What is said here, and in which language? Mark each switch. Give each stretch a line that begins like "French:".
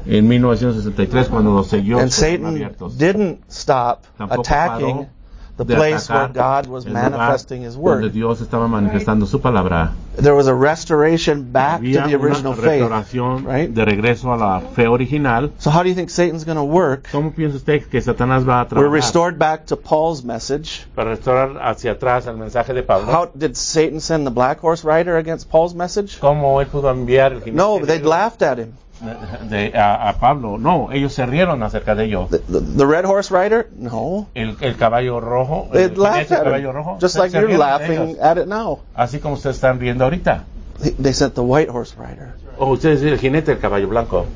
Spanish: En 1963, cuando los sellos fueron abiertos.
English: And Satan didn't stop attacking. The place where God was manifesting his word.
Spanish: Donde Dios estaba manifestando su palabra.
English: There was a restoration back to the original faith. Right?
Spanish: De regreso a la fe original.
English: So how do you think Satan's going to work?
Spanish: ¿Cómo piensa usted que Satanás va a trabajar?
English: We're restored back to Paul's message.
Spanish: Para restaurar hacia atrás el mensaje de Pablo.
English: How did Satan send the black horse rider against Paul's message?
Spanish: ¿Cómo él pudo enviar el jinete?
English: No, they'd laughed at him.
Spanish: A Pablo, no, ellos se rieron acerca de ello.
English: The red horse rider, no.
Spanish: El caballo rojo,
English: they'd
Spanish: el
English: laughed at
Spanish: caballo
English: him.
Spanish: Rojo,
English: just like you're laughing at it now.
Spanish: Así como ustedes están riendo ahorita.
English: They sent the white horse rider.
Spanish: Oh, ustedes el jinete del caballo blanco.